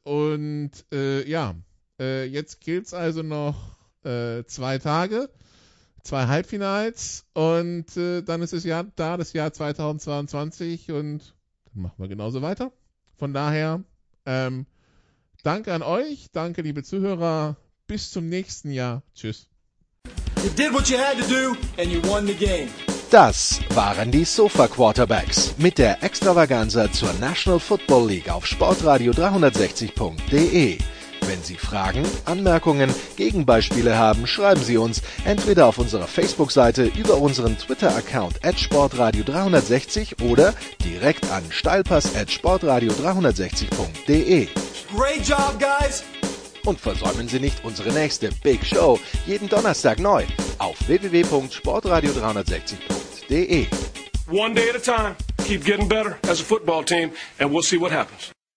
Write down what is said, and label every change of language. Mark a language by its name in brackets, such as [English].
[German] Und jetzt gilt es also noch zwei Tage, zwei Halbfinals und dann ist es ja da, das Jahr 2022 und dann machen wir genauso weiter. Von daher, danke an euch, danke liebe Zuhörer, bis zum nächsten Jahr. Tschüss. [English] You did what you had to do and you won the game. [German] Das waren die Sofa Quarterbacks mit der Extravaganza zur National Football League auf sportradio360.de. Wenn Sie Fragen, Anmerkungen, Gegenbeispiele haben, schreiben Sie uns entweder auf unserer Facebook-Seite über unseren Twitter-Account @sportradio360 oder direkt an steilpass@sportradio360.de. [English] Great job, guys! [German] Und versäumen Sie nicht unsere nächste Big Show, jeden Donnerstag neu auf www.sportradio360.de. [English] One day at a time. Keep getting better as a football team, and we'll see what happens.